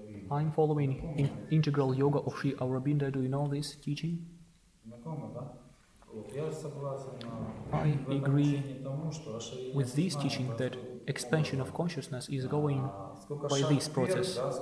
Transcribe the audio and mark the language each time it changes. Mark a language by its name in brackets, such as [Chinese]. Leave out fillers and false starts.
[English] I'm following integral yoga of Sri Aurobindo. Do you know this teaching? [Russian] Знакомо, да? Вот, я согласен на [English] I agree with this teaching that expansion of consciousness is going by this process.